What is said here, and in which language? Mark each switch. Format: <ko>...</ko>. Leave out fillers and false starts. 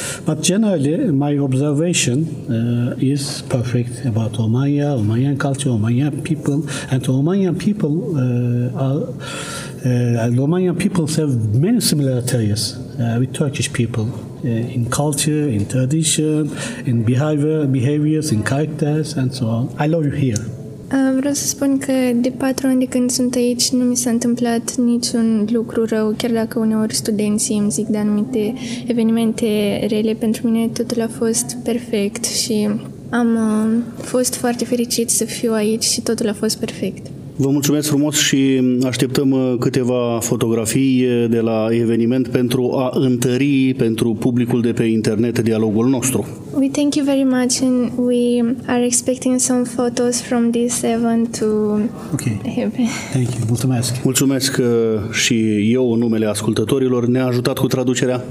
<en>But generally, my observation is perfect about Romania, Romanian culture, Romanian people, and Romanian people Romanian people have many similarities with Turkish people in culture, in tradition, in behaviors, in characters, and so on. I love you here.</en> <ro>Vreau să spun că de 4 ani de când sunt aici nu mi s-a întâmplat niciun lucru rău, chiar dacă uneori studenții îmi zic de anumite evenimente rele, pentru mine totul a fost perfect și am fost foarte fericit să fiu aici și totul a fost perfect. Vă mulțumesc frumos și așteptăm câteva fotografii de la eveniment pentru a întări pentru publicul de pe internet dialogul nostru.</ro> <en>We thank you very much and we are expecting some photos from this event to Thank you.</en> <ro>Mulțumesc. Mulțumesc și eu în numele ascultătorilor. Ne-a ajutat cu traducerea</ro>